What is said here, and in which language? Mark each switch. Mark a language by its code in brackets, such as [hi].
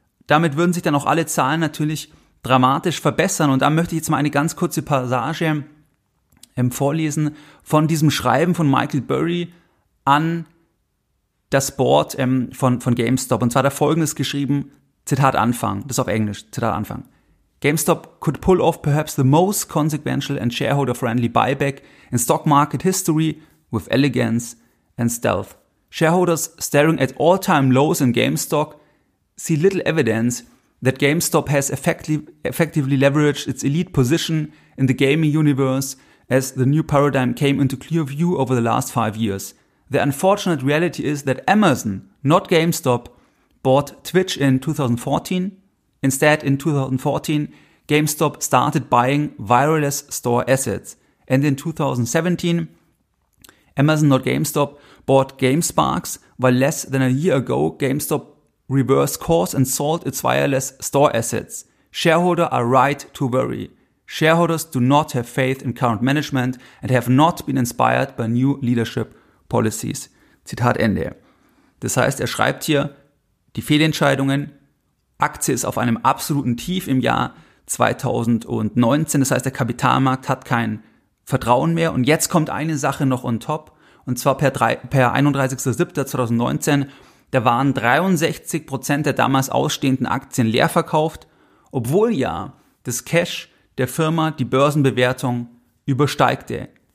[de] Damit würden sich dann auch alle Zahlen natürlich dramatisch verbessern. Und da möchte ich jetzt mal eine ganz kurze Passage vorlesen von diesem Schreiben von Michael Burry an das Board von GameStop. Und zwar da folgendes geschrieben, Zitat Anfang, das ist auf Englisch, Zitat Anfang. [en] GameStop could pull off perhaps the most consequential and shareholder-friendly buyback in stock market history with elegance and stealth. Shareholders staring at all-time lows in GameStop see little evidence that GameStop has effectively leveraged its elite position in the gaming universe as the new paradigm came into clear view over the last 5 years. The unfortunate reality is that Amazon, not GameStop, bought Twitch in 2014. Instead, in 2014, GameStop started buying wireless store assets. And in 2017, Amazon, not GameStop, bought GameSparks, while less than a year ago, GameStop reversed course and sold its wireless store assets. Shareholders are right to worry. Shareholders do not have faith in current management and have not been inspired by new leadership policies. [de] Zitat Ende. Das heißt, er schreibt hier, die Fehlentscheidungen, Aktie ist auf einem absoluten Tief im Jahr 2019. Das heißt, der Kapitalmarkt hat kein Vertrauen mehr. Und jetzt kommt eine Sache noch on top. Und zwar per 31.07.2019, da waren 63% der damals ausstehenden Aktien leer verkauft, obwohl ja das Cash der Firma die Börsenbewertung übersteigte.